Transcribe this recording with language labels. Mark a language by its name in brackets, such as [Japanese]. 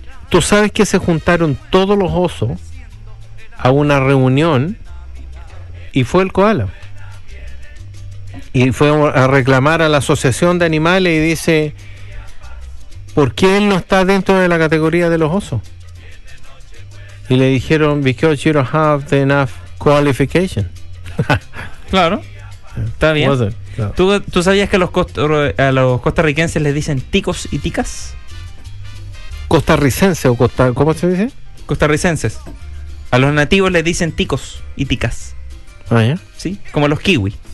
[Spanish] ¿Tú sabes que se juntaron todos los osos a una reunión y fue el koala y fue a reclamar a la asociación de animales y dice ¿por qué él no está dentro de la categoría de los osos? Y le dijeron [English] because you don't have the enough qualification. [Spanish] Claro, está bien. ¿Tú sabías que a los costarricenses les dicen ticos y ticas? Costarricense o costa, ¿cómo se dice? Costarricenses. A los nativos les dicen ticos y ticas. Ah, ¿ya? Sí, como los kiwi.